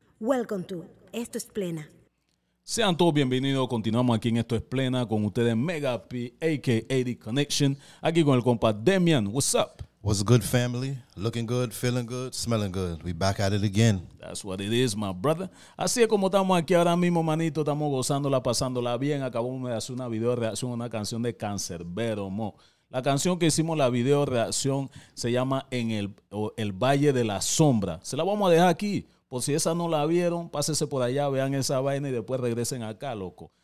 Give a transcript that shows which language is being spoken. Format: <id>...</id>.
<en>Welcome to Esto es Plena.</en> <es>Sean todos bienvenidos. Continuamos aquí en Esto es Plena con ustedes, Mega P, a.k.a. The Connection. Aquí con el compa Demian.</es> <en>What's up? What's good, family? Looking good, feeling good, smelling good. We back at it again. That's what it is, my brother.</en> <es>Así es como estamos aquí ahora mismo, manito. Estamos gozándola, pasándola bien. Acabamos de hacer una video reacción a una canción de Canserbero, mo. La canción que hicimos, la video reacción, se llama En el Valle de la Sombra. Se la vamos a dejar aquí. Por si esa no la vieron, pásese por allá, vean esa vaina y después regresen acá, loco.</es>